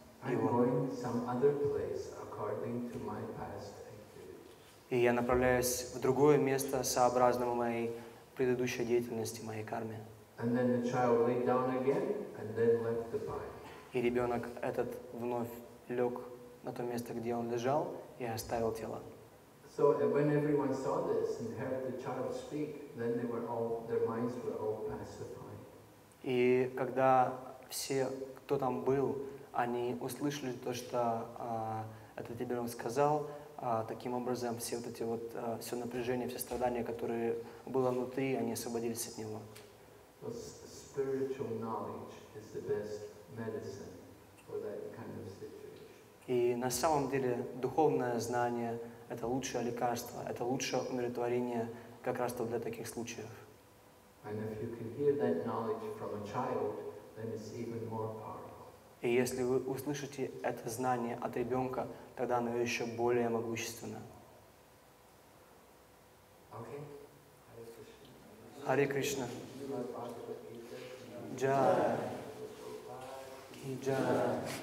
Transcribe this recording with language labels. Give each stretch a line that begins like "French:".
English: I'm going to some other place according to my past activity.
Russian: И я направляюсь в другое место сообразно моей предыдущей деятельности, моей карме.
English: And then the child lay down again and then left the body.
Russian: И ребенок этот вновь лег на то место, где он лежал, и оставил тело.
English: So when everyone saw this and heard the child speak, then they were all, their minds were all pacified.
Russian: И когда все, кто там был, они услышали то, что этот ребенок сказал, таким образом все вот эти вот все напряжение, все страдания, которые было внутри, они освободились от него.
English: Spiritual knowledge is the best medicine for that kind of situation.
Russian: И на самом деле духовное знание – это лучшее лекарство, это лучшее умиротворение как раз для таких случаев.
English: And if you can hear that knowledge from a child, then it's even more powerful.
Russian: И если вы услышите это знание от ребенка, тогда оно еще более могущественно. Хари Кришна. Джай. Джай.